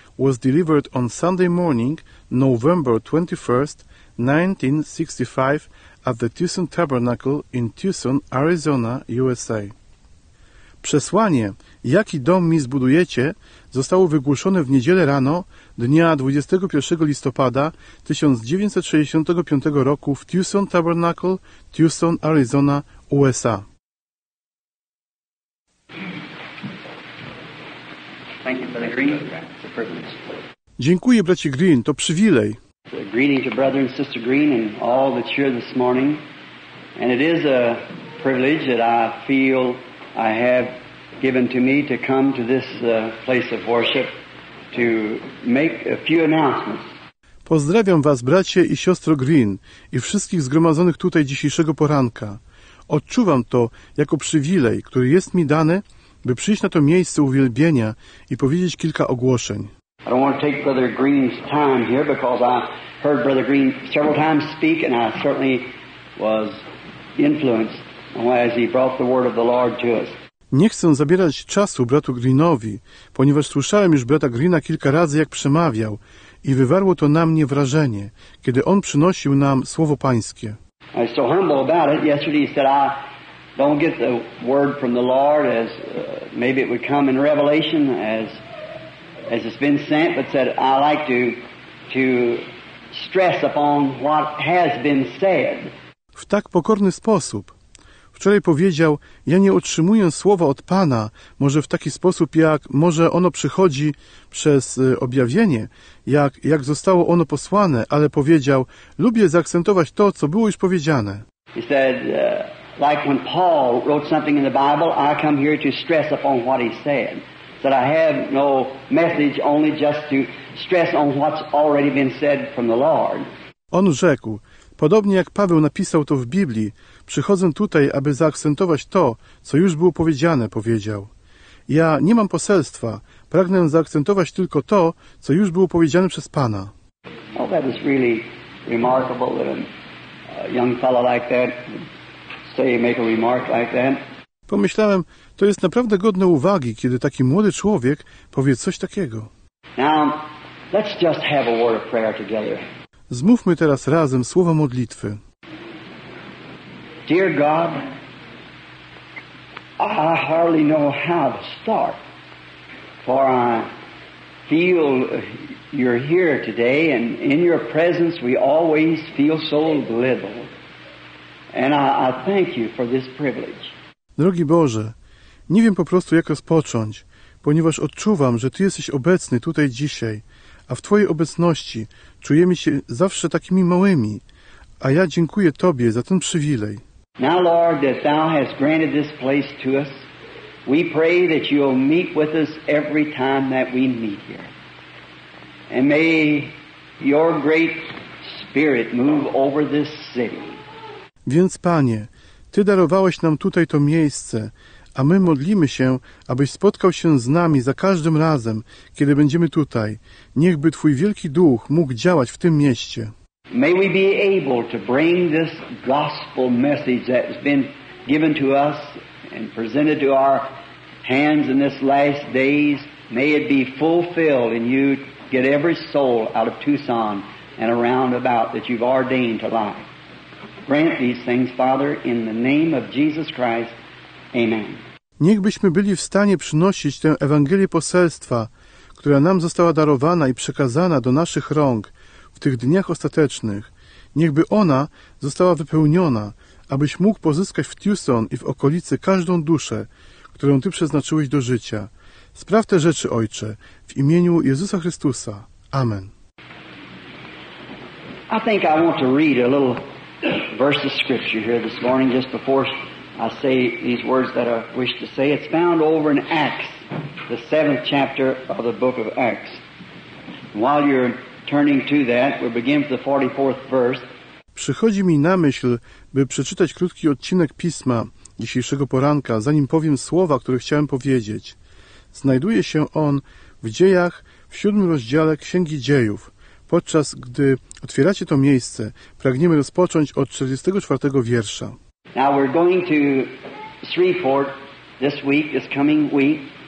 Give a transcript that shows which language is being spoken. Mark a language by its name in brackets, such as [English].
[English] was delivered on Sunday morning, November 21, 1965, at the Tucson Tabernacle in Tucson, Arizona, USA. [Polish] Przesłanie, "Jaki dom mi zbudujecie?", zostało wygłoszone w niedzielę rano, dnia 21 listopada 1965 roku w Tucson Tabernacle, Tucson, Arizona, USA. [English] Thank you for the greeting. It's a [Polish] Dziękuję, bracie Green, to przywilej. [English] A greeting to brother and sister Green and all that's here this morning. And it is a privilege that I feel I have given to me to come to this place of worship to make a few announcements. [Polish] Pozdrawiam was, bracie i siostro Green, i wszystkich zgromadzonych tutaj dzisiejszego poranka. Odczuwam to jako przywilej, który jest mi dany, by przyjść na to miejsce uwielbienia i powiedzieć kilka ogłoszeń. [English] I don't want to take Brother Green's time here because I heard Brother Green several times speak and I certainly was influenced as he brought the word of the Lord to us. [Polish] Nie chcę zabierać czasu bratu Greenowi, ponieważ słyszałem już brata Greena kilka razy, jak przemawiał, i wywarło to na mnie wrażenie, kiedy on przynosił nam Słowo Pańskie. [English] I'm so humble about it. Yesterday he said, I don't get the word from the Lord as maybe it would come in Revelation as it's been sent, but said, I like to stress upon what has been said. [Polish] W tak pokorny sposób. Wczoraj powiedział, ja nie otrzymuję słowa od Pana, może w taki sposób, jak może ono przychodzi przez objawienie, jak zostało ono posłane, ale powiedział, lubię zaakcentować to, co było już powiedziane. [English] He said, like when Paul wrote something in the Bible, I come here to stress upon what he said. That I have no message, only just to stress on what's already been said from the Lord. [Polish] On rzekł, podobnie jak Paweł napisał to w Biblii, przychodzę tutaj, aby zaakcentować to, co już było powiedziane, powiedział. Ja nie mam poselstwa, pragnę zaakcentować tylko to, co już było powiedziane przez Pana. [English] Oh, that is really remarkable that a young fellow like that say make a remark like that. [Polish] Pomyślałem, to jest naprawdę godne uwagi, kiedy taki młody człowiek powie coś takiego. [English] Now, let's just have a word of prayer together. [Polish] Zmówmy teraz razem słowa modlitwy. [English] Dear God, I hardly know how to start, for I feel you're here today, and in your presence we always feel so little, and I thank you for this privilege. [Polish] Drogi Boże, nie wiem po prostu, jak rozpocząć, ponieważ odczuwam, że Ty jesteś obecny tutaj dzisiaj, a w Twojej obecności czujemy się zawsze takimi małymi, a ja dziękuję Tobie za ten przywilej. [English] Now, Lord, that Thou hast granted this place to us, we pray that You'll meet with us every time that we meet here. And may Your great Spirit move over this city. [Polish] Więc, Panie, Ty darowałeś nam tutaj to miejsce, a my modlimy się, abyś spotkał się z nami za każdym razem, kiedy będziemy tutaj. Niechby Twój wielki Duch mógł działać w tym mieście. [English] May we be able to bring this gospel message that has been given to us and presented to our hands in this last days, may it be fulfilled and you get every soul out of Tucson and around about that you've ordained to life. Grant these things, Father, in the name of Jesus Christ. Amen. [Polish] Niechbyśmy byli w stanie przynosić tę Ewangelię poselstwa, która nam została darowana i przekazana do naszych rąk w tych dniach ostatecznych. Niechby ona została wypełniona, abyś mógł pozyskać w Tucson i w okolicy każdą duszę, którą Ty przeznaczyłeś do życia. Spraw te rzeczy, Ojcze, w imieniu Jezusa Chrystusa. Amen. [English] I think I want to read a little verse of scripture here this morning just before I say these words that I wish to say. It's found over in Acts, the 7th chapter of the book of Acts. And while you're turning to that, we'll begin with the 44th verse. [Polish] Przychodzi mi na myśl, by przeczytać krótki odcinek Pisma dzisiejszego poranka, zanim powiem słowa, które chciałem powiedzieć. Znajduje się on w Dziejach, w 7 rozdziale Księgi Dziejów. Podczas gdy otwieracie to miejsce, pragniemy rozpocząć od 44 wiersza. [English] Now we're going to Shreveport this week, this coming week,